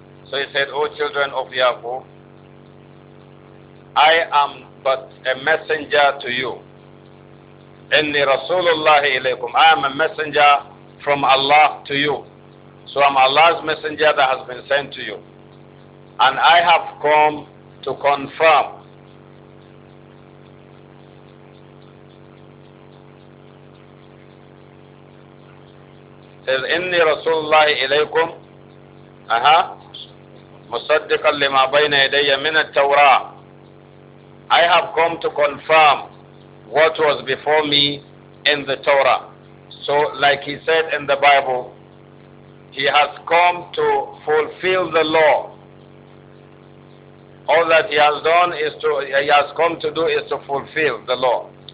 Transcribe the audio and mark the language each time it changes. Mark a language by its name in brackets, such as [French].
[English] So he said, oh, children of Yaqub, I am but a messenger to you. [Arabic] Inni Rasulullahi ilaykum. [English] I am a messenger from Allah to you. So I'm Allah's messenger that has been sent to you. And I have come to confirm [Arabic] إِنِّي رَسُولُ اللَّهِ إِلَيْكُمْ مُصَدِّقًا لِمَا بَيْنَ يَدَيَّ مِنَ التَّوْرَاةِ. [English] I have come to confirm what was before me in the Torah. So like he said in the Bible, he has come to fulfill the law. All that he has come to do is to fulfill the law.